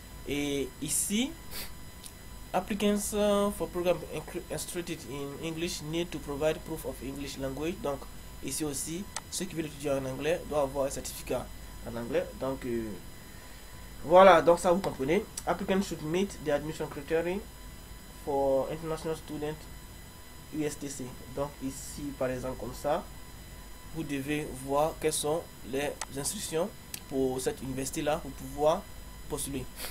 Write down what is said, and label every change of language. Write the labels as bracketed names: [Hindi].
[French] Et ici, [English] applicants for program instructed in English need to provide proof of English language. [French] Donc, ici aussi, ceux qui veulent étudier en anglais doivent avoir un certificat en anglais. Donc, voilà, donc ça vous comprenez. [English] Applicants should meet the admission criteria for international student USTC. [French] Donc, ici, par exemple, comme ça, vous devez voir quelles sont les instructions pour cette université-là pour pouvoir postuler.